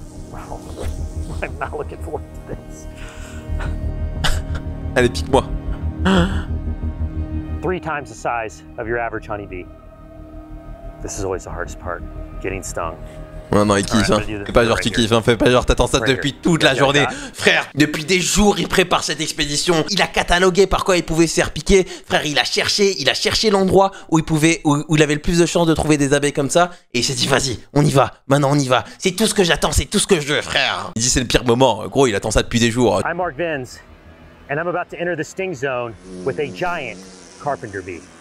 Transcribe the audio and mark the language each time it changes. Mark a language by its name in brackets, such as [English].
[English] Wow. I'm not looking forward to this. [French] Allez, pique-moi. [English] Three times the size of your average honeybee. This is always the hardest part, getting stung. [French] Ouais, non, il kiffe, hein. Fais pas genre tu kiffes, hein. Fais pas genre t'attends ça depuis toute la journée. Frère, depuis des jours, il prépare cette expédition. Il a catalogué par quoi il pouvait se faire piquer. Frère, il a cherché l'endroit où il avait le plus de chances de trouver des abeilles comme ça. Et il s'est dit, vas-y, on y va. Maintenant, on y va. C'est tout ce que j'attends, c'est tout ce que je veux, frère. Il dit, c'est le pire moment. Gros, il attend ça depuis des jours. [English] I'm Mark Vins, and I'm about to enter the sting zone with a giant carpenter bee.